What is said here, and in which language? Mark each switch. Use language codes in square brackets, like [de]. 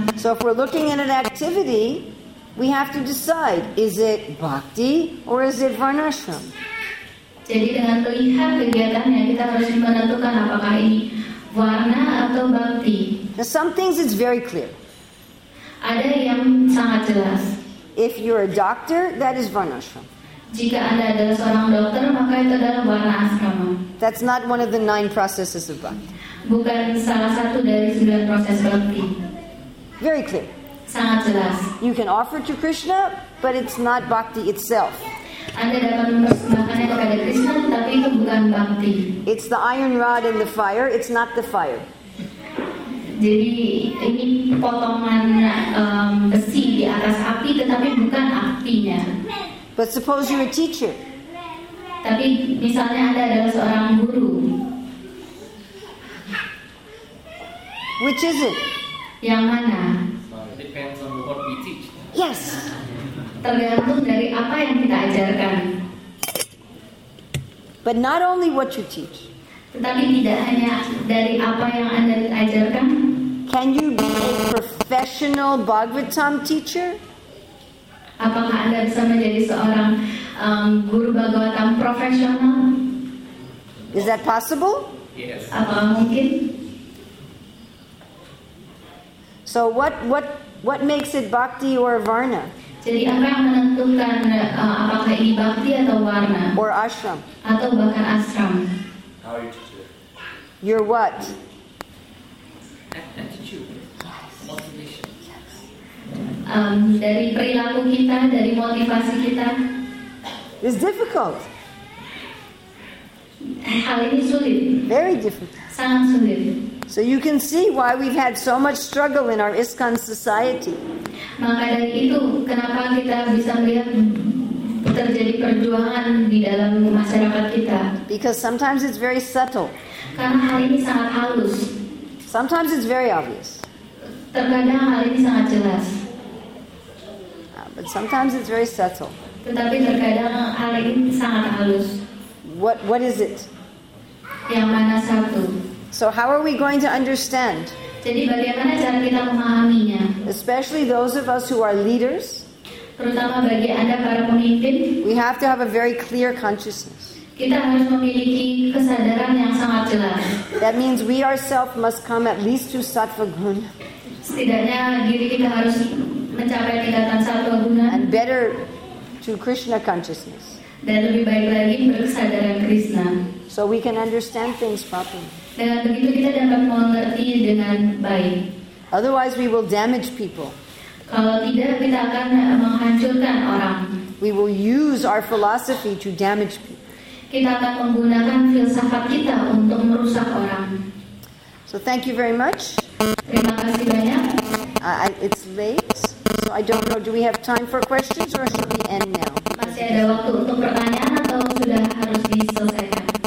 [en] So if we're looking at an activity, we have to decide, is it bhakti or is it varnashram? [id] Jadi dengan melihat kegiatannya, kita harus menentukan apakah ini warna atau bhakti. [en] Now some things it's very clear. [id] Ada yang sangat jelas. [en] If you're a doctor, that is varnashram. [id] Jika Anda adalah seorang dokter, maka itu adalah varnashrama. [en] That's not one of the 9 processes of bhakti. [id] Bukan salah satu dari 9 proses bhakti. [en] Very clear. [id] Sangat jelas. [en] You can offer to Krishna, but it's not bhakti itself. [id] Anda dapat mempersembahkannya kepada Krishna, tapi itu bukan bhakti. [en] It's the iron rod and the fire, it's not the fire. [id] Jadi ini potongan besi di atas api, tetapi bukan apinya. [en] But suppose you're a teacher. [id] Tapi misalnya Anda adalah seorang guru. [en] Which is it? [id] Yang mana? [en] Depends on what we teach. Yes. [id] Tergantung dari apa yang kita ajarkan. [en] But not only what you teach. [id] Tetapi tidak hanya dari apa yang Anda ajarkan. [en] Can you be a professional Bhagavatam teacher? [id] Apakah Anda bisa menjadi seorang guru Bhagavatam profesional? [en] Is that possible? Yes. [id] Apa mungkin? [en] So what makes it bhakti or varna? [id] Jadi apa yang menentukan apakah ini bhakti atau varna? [en] Or ashram? [id] Atau bahkan ashram? [en] How are you teaching? You're what? Attitude. Motivation. Yes. [id] Dari perilaku kita, dari motivasi kita. [en] It's difficult. [id] Hal ini sulit. [en] Very difficult. [id] Sangat sulit. [en] So you can see why we've had so much struggle in our ISKCON society. [id] Maka dari itu, kenapa kita bisa melihat terjadi perjuangan di dalam masyarakat kita? [en] Because sometimes it's very subtle. [id] Karena hal ini sangat halus. [en] Sometimes it's very obvious. [id] Terkadang hal ini sangat jelas. [en] But sometimes it's very subtle. [id] Tetapi terkadang hal ini sangat halus. [en] What is it? [id] Yang mana satu? [en] So how are we going to understand? [id] Jadi bagaimana cara kita memahaminya? [en] Especially those of us who are leaders. [id] Terutama bagi Anda para pemimpin. [en] We have to have a very clear consciousness. [id] Kita harus memiliki kesadaran yang sangat jelas. [en] That means we ourselves must come at least to sattva guna. [id] Setidaknya diri kita harus mencapai tingkatan sattva guna. [en] And better to Krishna consciousness. [id] Dan lebih baik lagi berkesadaran Krishna. [en] So we can understand things properly. [id] Dengan begitu kita dapat mengerti dengan baik. [en] Otherwise we will damage people. [id] Kalau tidak kita akan menghancurkan orang. [en] We will use our philosophy to damage people. [id] Kita akan menggunakan filsafat kita untuk merusak orang. [en] So thank you very much. [id] Terima kasih banyak. [en] It's late, so I don't know. Do we have time for questions, or should we end now? [id] Masih ada waktu untuk pertanyaan atau sudah harus diselesaikan?